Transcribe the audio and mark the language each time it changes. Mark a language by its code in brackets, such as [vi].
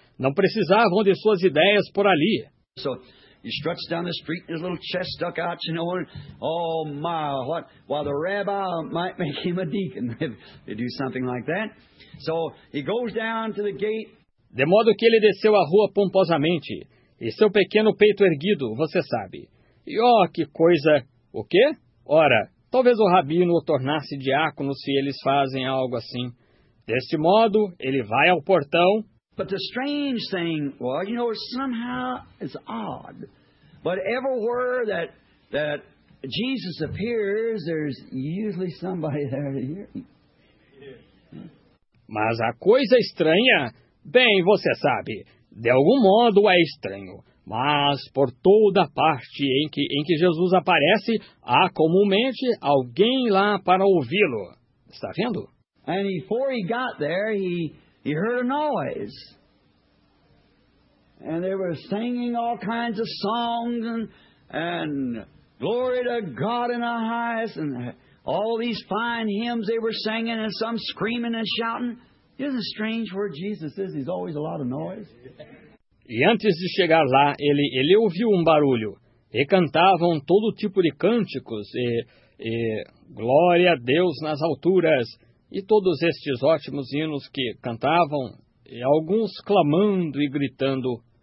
[pt] Não precisavam de suas ideias por ali. [en] So, he struts down the street, his little chest stuck out, you know, and, oh my, what, while the rabbi might make him a deacon if they do something like that. So, he goes down to the gate. [pt] De modo que ele desceu a rua pomposamente, e seu pequeno peito erguido, você sabe. E, oh, que coisa, o quê? Ora, talvez o rabino o tornasse diácono se eles fazem algo assim. Deste modo, ele vai ao portão. [en] But the strange thing was, you know, somehow it's odd. But everywhere that Jesus appears, there's usually somebody there to hear him. [pt] Mas a coisa estranha, bem, você sabe, de algum modo é estranho. Mas por toda parte em que Jesus aparece, há comumente alguém lá para ouvi-lo. Está vendo? [en] And before he got there, he heard a noise. And they were singing all kinds of songs and glory to God in the highest and all these fine hymns they were singing and some screaming and shouting. Isn't it strange where Jesus is? He's always a lot of noise. [pt] E antes de chegar lá, ele ouviu um barulho. E cantavam todo tipo de cânticos e glória a Deus nas alturas. E todos estes ótimos hinos que cantavam, e alguns clamando e gritando.